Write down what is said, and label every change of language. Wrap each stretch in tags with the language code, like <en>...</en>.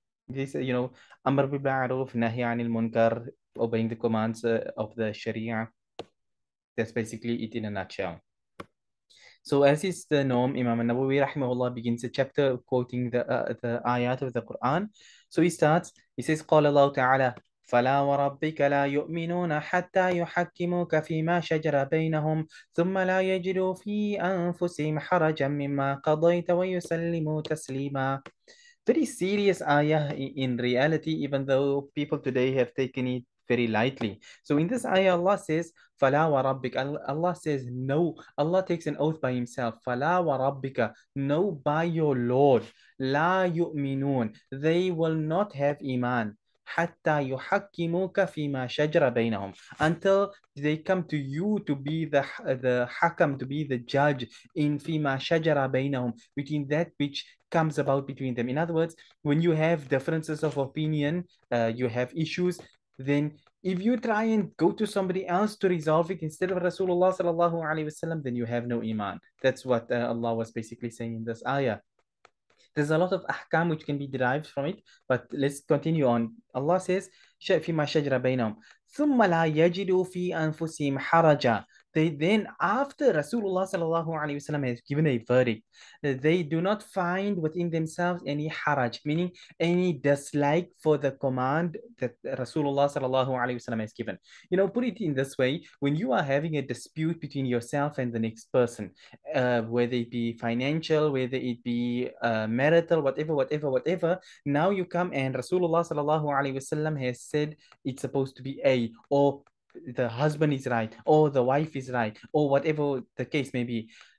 <en>This, you know,</en> <ar>أَمْرَ بِالْمَعْرُوفِ نَهِيَ عَنِ الْمُنْكَرِ,</ar> <en>obeying the commands of the Sharia. That's basically it in a nutshell. So as is the norm, Imam al-Nawawi rahimahullah begins the chapter quoting the ayat of the Quran. So he starts, he says,</en> <ar>قال الله تعالى, فَلَا وَرَبِّكَ لَا يُؤْمِنُونَ حَتَّى يُحَكِّمُكَ فِي مَا شَجَرَ بَيْنَهُمْ ثُمَّ لَا يَجِدُوا فِي أَنفُسِهِمْ حَرَجًا مِّمَّا قَضَيْتَ وَيُسَلِّمُوا تَسْلِيمًا.</ar> <en>Very serious ayah in reality, even though people today have taken it very lightly. So in this ayah, Allah says,</en> <ar>فَلَا وَرَبِّكَ,</ar> <en>Allah says, no. Allah takes an oath by himself, فَلَا وَرَبِّكَ, no, by your Lord,</en> <ar>لَا يُؤْمِنُونَ,</ar> <en>they will not have iman,</en> <ar>حَتَّى يُحَكِّمُوكَ فِي مَا شَجْرَ بَيْنَهُمْ,</ar> <en>until they come to you to be the hakam, to be the judge, in</en> <ar>فِي مَا شَجْرَ بَيْنَهُمْ,</ar> <en>between that which comes about between them. In other words, when you have differences of opinion, you have issues, then if you try and go to somebody else to resolve it instead of Rasulullah sallallahu alaihi wasallam, then you have no iman. That's what Allah was basically saying in this ayah. There's a lot of ahkam which can be derived from it, but let's continue on. Allah says,</en> <ar>شَفِي مَا شَجْرَ بَيْنَهُمْ ثُمَّ لَا يَجِدُوا فِي أَنفُسِهِمْ حَرَجًا.</ar> <en>They then, after Rasulullah sallallahu alaihi wasallam has given a verdict, they do not find within themselves any haraj, meaning any dislike for the command that Rasulullah sallallahu alaihi wasallam has given. You know, put it in this way, when you are having a dispute between yourself and the next person, whether it be financial, whether it be marital, whatever, now you come and Rasulullah sallallahu alaihi wasallam has said it's supposed to be A, or the husband is right, or the wife is right, or whatever the case may be.</en>